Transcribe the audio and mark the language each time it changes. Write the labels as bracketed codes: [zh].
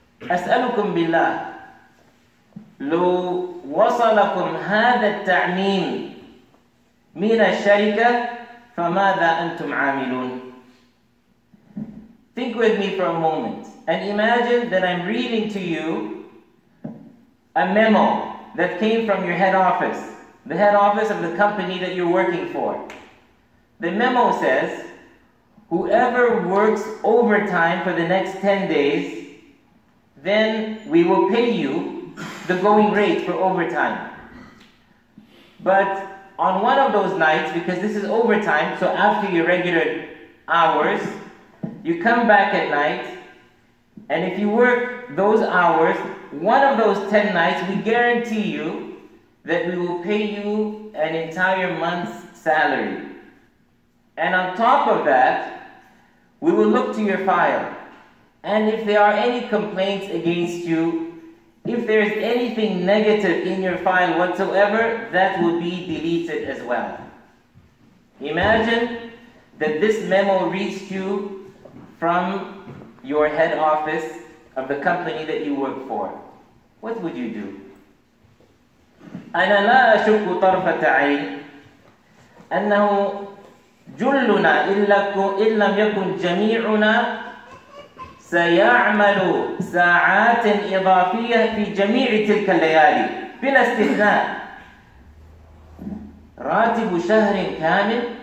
[ar] أسألكم بالله لو وصلكم هذا التعميم من الشركة فماذا أنتم عاملون؟ [en] Think with me for a moment and imagine that I'm reading to you a memo that came from your head office, the head office of the company that you're working for. The memo says, whoever works overtime for the next 10 days, then we will pay you the going rate for overtime. But on one of those nights, because this is overtime, so after your regular hours, you come back at night, and if you work those hours, one of those 10 nights, we guarantee you that we will pay you an entire month's salary. And on top of that, we will look to your file. And if there are any complaints against you, if there is anything negative in your file whatsoever, that will be deleted as well. Imagine that this memo reached you from your head office of the company that you work for. What would you do? [ar] أنا لا أشك طرفة عين أنه جلنا إن لم يكن جميعنا سيعمل ساعات إضافية في جميع تلك الليالي بلا استثناء راتب شهر كامل